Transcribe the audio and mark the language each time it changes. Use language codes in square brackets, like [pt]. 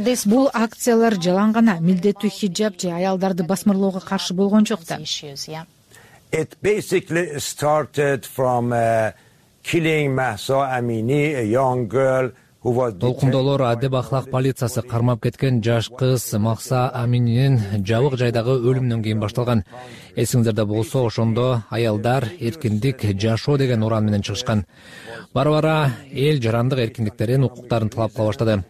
[ky] Бул акциялар жалаң гана милдеттүү хиджаб же аялдарды басмырлоого каршы болгон жок да. [en] It basically started from killing Mahsa Amini, a young girl. [ky] Толкундоолор адеп ахлак полициясы кармап кеткен жаш кыз Махса Аминин жабык жайдагы өлүмүнөн кийин башталган. Эсиңиздерде болсо, ошондо аялдар эркиндик, жашоо деген уран менен чыгышкан. Бара-бара эл жарандык эркиндиктерин, укуктарын талап кыла баштады.